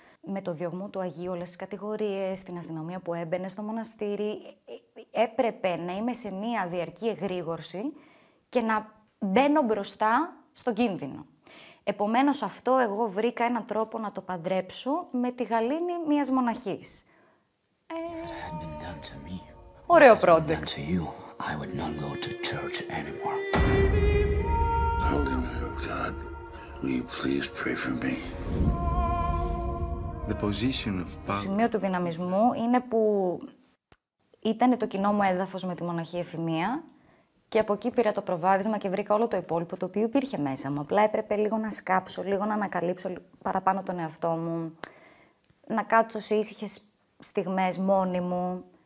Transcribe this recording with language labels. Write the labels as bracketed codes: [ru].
[el] Με το διωγμό του Αγίου, όλες τις κατηγορίες, την αστυνομία που έμπαινε στο μοναστήρι, έπρεπε να είμαι σε μία διαρκή εγρήγορση και να μπαίνω μπροστά στον κίνδυνο. Επομένως, αυτό εγώ βρήκα έναν τρόπο να το παντρέψω με τη γαλήνη μιας μοναχής. Ωραίο project. [en] I would not go to church anymore. Holy man of God, will you please pray for me? The position of power. [el] Το σημείο του δυναμισμού είναι που ήταν το κοινό μου έδαφος με τη μοναχή εφημεία και από εκεί πήρα το προβάδισμα και βρήκα όλο το υπόλοιπο το οποίο υπήρχε μέσα μου. Απλά έπρεπε λίγο να σκάψω, λίγο να ανακαλύψω παραπάνω τον εαυτό μου, να κάτσω σε ήσυχες στιγμές μόνη μου,